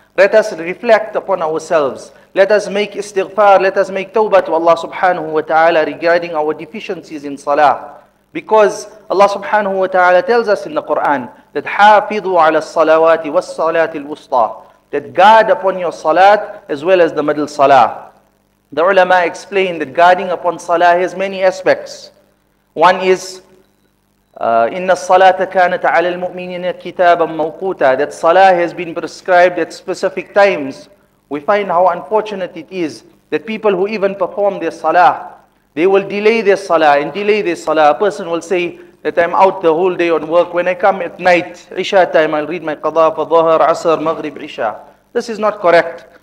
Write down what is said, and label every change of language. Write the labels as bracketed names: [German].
[English] Let us reflect upon ourselves. Let us make istighfar, let us make tawbah to Allah subhanahu wa ta'ala regarding our deficiencies in salah. Because Allah subhanahu wa ta'ala tells us in the Quran, that [Arabic] حَافِظُوا عَلَى الصَّلَوَاتِ وَالصَّلَاةِ الْوُسْطَى. [English] That guard upon your salat as well as the middle salah. The ulama explained that guarding upon salah has many aspects. [Arabic] One is, إِنَّ الصَّلَاةَ كَانَتَ عَلَى الْمُؤْمِنِينَ كِتَابًا مَوْقُوتًا. [English] That salah has been prescribed at specific times. We find how unfortunate it is that people who even perform their salah, they will delay their salah and delay their salah. A person will say that I'm out the whole day on work. When I come at night, Isha time, I'll read my qadha for dhuhr, asr, maghrib, Isha. This is not correct.